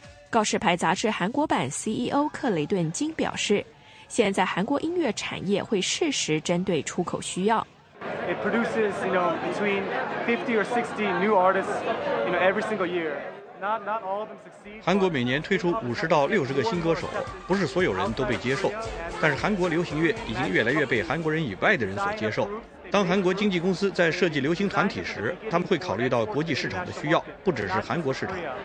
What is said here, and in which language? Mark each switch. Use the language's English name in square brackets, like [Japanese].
[Chinese] 告示牌杂志韩国版 CEO 克雷顿金表示，现在韩国音乐产业会适时针对出口需要。 [English] It produces, you know, between 50 or 60 new artists, you know, every single year. Not all of them succeed. [Chinese] 韩国每年推出50-60个新歌手，不是所有人都被接受。但是韩国流行乐已经越来越被韩国人以外的人所接受。当韩国经纪公司在设计流行团体时，他们会考虑到国际市场的需要，不只是韩国市场。